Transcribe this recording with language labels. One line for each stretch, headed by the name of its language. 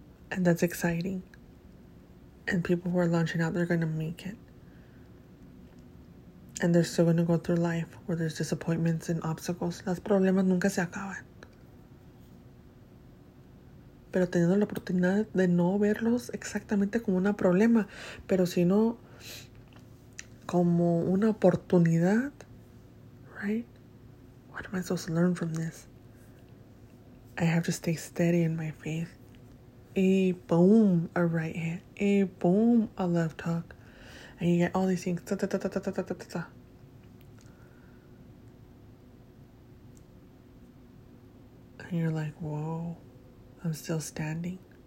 English: And that's exciting. And people who are launching out, they're going to make it. And they're still going to go through life where there's disappointments and obstacles.
Spanish: Las problemas nunca se acaban. Pero teniendo la oportunidad de no verlos exactamente como un problema, pero sino como una oportunidad, right?
English: What am I supposed to learn from this? I have to stay steady in my faith. Y boom, a right hand. Y boom, a left hook. And you get all these things. And you're like, whoa, I'm still standing.